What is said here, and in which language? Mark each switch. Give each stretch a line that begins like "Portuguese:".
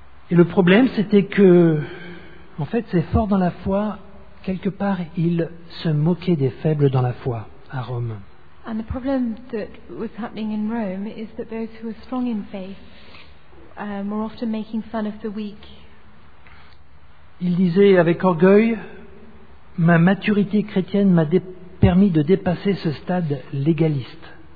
French: Et le problème, c'était que, en fait, ces forts dans la foi, quelque part, ils se moquaient des faibles dans la foi à Rome.
English: And the problem that was happening in Rome is that those who were strong in faith were often making fun of the weak.
French: Ils disaient avec orgueil, ma maturité chrétienne m'a permis de dépasser ce stade légaliste.